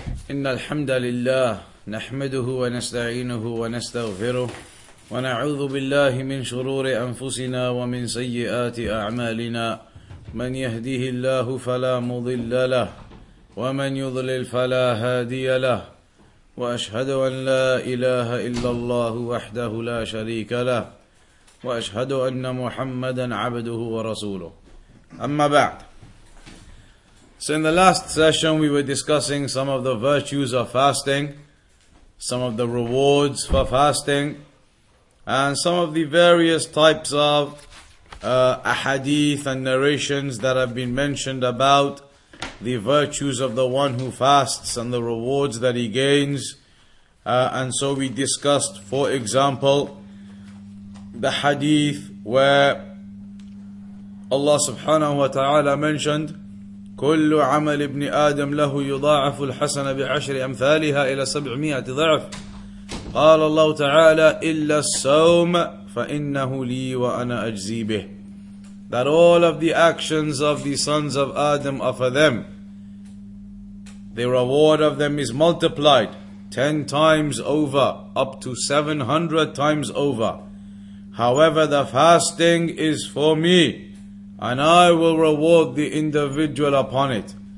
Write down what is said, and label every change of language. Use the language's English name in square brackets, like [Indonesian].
[Arabic] إن الحمد لله نحمده ونستعينه ونستغفره ونعوذ بالله من شرور أنفسنا ومن سيئات أعمالنا من يهده الله فلا مضل له ومن يضلل فلا هادي له وأشهد أن لا إله إلا الله وحده لا شريك له وأشهد أن محمدا عبده ورسوله أما بعد. [English] So in the last session, we were discussing some of the virtues of fasting, some of the rewards for fasting, and some of the various types of ahadith and narrations that have been mentioned about the virtues of the one who fasts and the rewards that he gains. And so we discussed, for example, the hadith where Allah subhanahu wa ta'ala mentioned, [Arabic] كل عمل ابن آدم له يضاعف الحسنة بعشر أمثالها إلى سبعمائة ضعف. قال الله تعالى إلا الصوم فإنه لي وأنا أجزي به. [English] That all of the actions of the sons of Adam are for them. The reward of them is multiplied 10 times over, up to 700 times over. However, the fasting is for me, and I will reward the individual upon it.